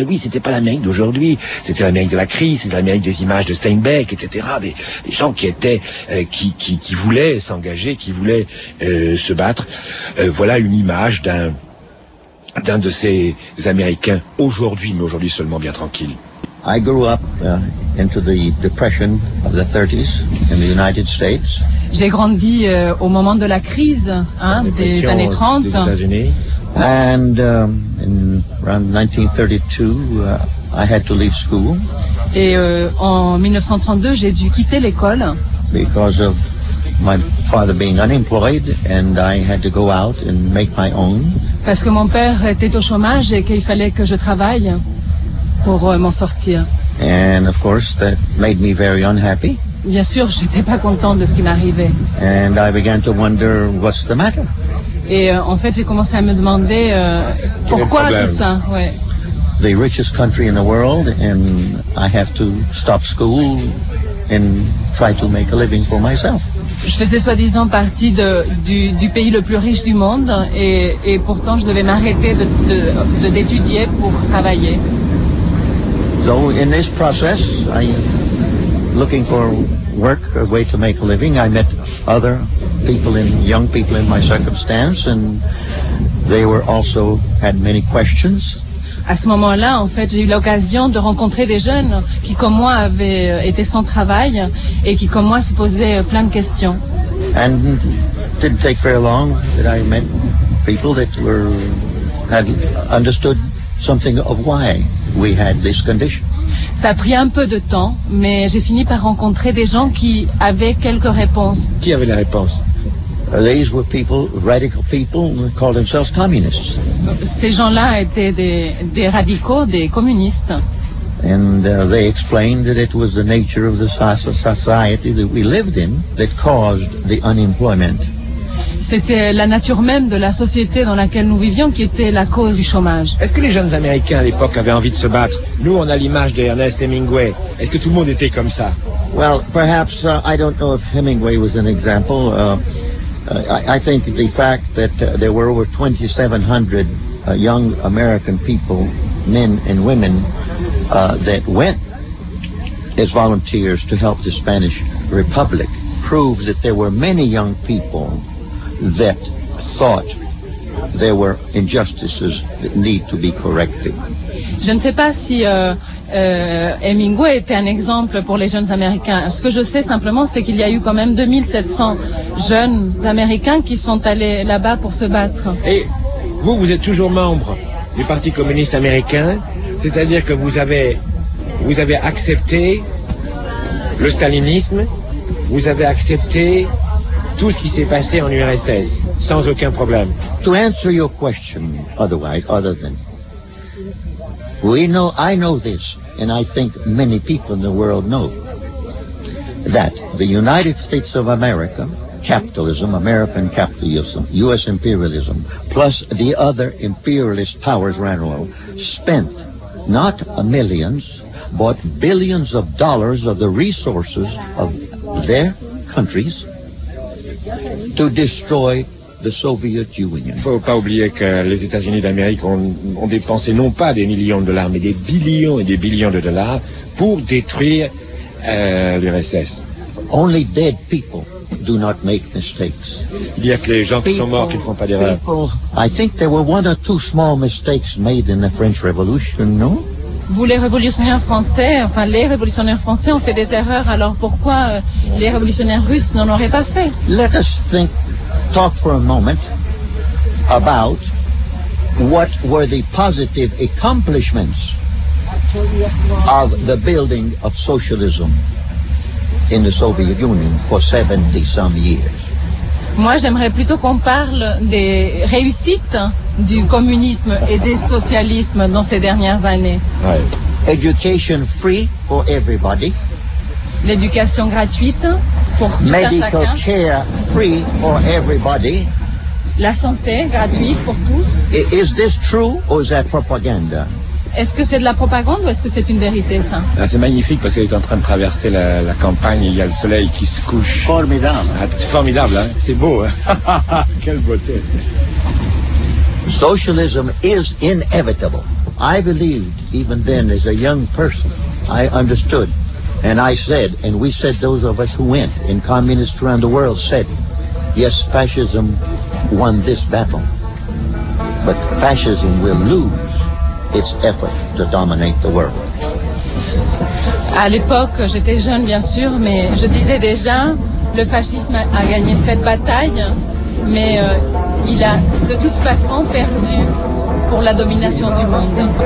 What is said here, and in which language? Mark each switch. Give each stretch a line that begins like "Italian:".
French: Et oui, c'était pas l'Amérique d'aujourd'hui, c'était l'Amérique de la crise, c'était l'Amérique des images de Steinbeck, etc. Des gens qui étaient qui voulaient s'engager, qui voulaient se battre. Voilà une image d'un de ces Américains aujourd'hui, mais aujourd'hui seulement bien tranquille.
English: I grew up into the depression of the 30s in the United States.
French: J'ai grandi au moment de la crise des années 30. Des États-Unis.
English: And in around 1932, I had to leave school.
French: Et en 1932, j'ai dû quitter l'école.
English: Because of my father being unemployed and I had to go out and make my own.
French: Parce que mon père était au chômage et qu'il fallait que je travaille pour m'en sortir.
English: And of course that made me very unhappy.
French: Bien sûr, j'étais pas contente de ce qui m'arrivait.
English: And I began to wonder what's the matter.
French: Et en fait, j'ai commencé à me demander pourquoi tout ça, ouais.
English: The richest country in the world and I have to stop school and try to make a living for myself.
French: Je faisais soi-disant partie du pays le plus riche du monde et pourtant je devais m'arrêter d'étudier pour travailler.
English: So in this process, looking for work, a way to make a living, I met other people in young people in my circumstance and they were also had many questions.
French: À ce moment-là, en fait, j'ai eu l'occasion de rencontrer des jeunes qui, comme moi, avaient été sans travail et qui, comme moi, se posaient plein de questions.
English: And it didn't take very long that I met people that had understood something of why we had these conditions.
French: Ça a pris un peu de temps, mais j'ai fini par rencontrer des gens qui avaient quelques réponses. Qui avait la réponse?
English: These were people, radical people, called themselves communists.
French: Ces gens-là étaient des radicaux, des communistes.
English: And they explained that it was the nature of the society that we lived in that caused the unemployment.
French: C'était la nature même de la société dans laquelle nous vivions qui était la cause du chômage. Est-ce que les jeunes Américains à l'époque avaient envie de se battre? Nous, on a l'image de Ernest Hemingway. Est-ce que tout le monde était comme ça?
English: Well, perhaps I don't know if Hemingway was an example. I think the fact that there were over 2,700 young American people, men and women, that went as volunteers to help the Spanish Republic proved that there were many young people that thought there were injustices that need to be corrected.
French: Je ne sais pas si Hemingway était un exemple pour les jeunes Américains. Ce que je sais simplement, c'est qu'il y a eu quand même 2700 jeunes Américains qui sont allés là-bas pour se battre. Et vous, vous êtes toujours membre du Parti communiste américain, c'est-à-dire que vous avez accepté le stalinisme, vous avez accepté tout ce qui s'est passé en URSS, sans aucun problème.
English: To answer your question, otherwise, other than... We know, I know this, and I think many people in the world know, that the United States of America, capitalism, American capitalism, U.S. imperialism, plus the other imperialist powers around the world, spent not millions, but billions of dollars of the resources of their countries to destroy the Soviet Union.
French: Il ne faut pas oublier que les États-Unis d'Amérique ont dépensé non pas des millions de dollars, mais des billions et des billions de dollars pour détruire l'URSS.
English: Only dead people do not make mistakes.
French: Il n'y a que les gens qui sont morts qui ne font pas d'erreurs.
English: I think there were one or two small mistakes made in the French Revolution, no?
French: Vous, les révolutionnaires français, enfin les révolutionnaires français ont fait des erreurs, alors pourquoi les révolutionnaires russes n'en auraient pas fait?
English: Let us think. Talk for a moment about what were the positive accomplishments of the building of socialism in the Soviet Union for 70 some years.
French: Moi, j'aimerais plutôt qu'on parle des réussites du communisme et des socialismes dans ces dernières années.
English: Right. Education free for everybody.
French: L'éducation gratuite.
English: Medical care free for everybody.
French: La santé gratuite pour tous.
English: Is this true or is that propaganda?
French: Est-ce que c'est de la propagande ou est-ce que c'est une vérité ça? Ah, c'est magnifique parce qu'elle est en train de traverser la campagne et il y a le soleil qui se couche. Formidable. Ah, c'est formidable, hein? C'est beau. Hein? Quelle beauté.
English: Socialism is inevitable. I believed even then as a young person, I understood. And I said, and we said, those of us who went, and communists around the world said, yes, fascism won this battle, but fascism will lose its effort to dominate the world.
French: À l'époque, j'étais jeune, bien sûr, mais je disais déjà, le fascisme a gagné cette bataille, mais il a de toute façon perdu pour la domination du monde.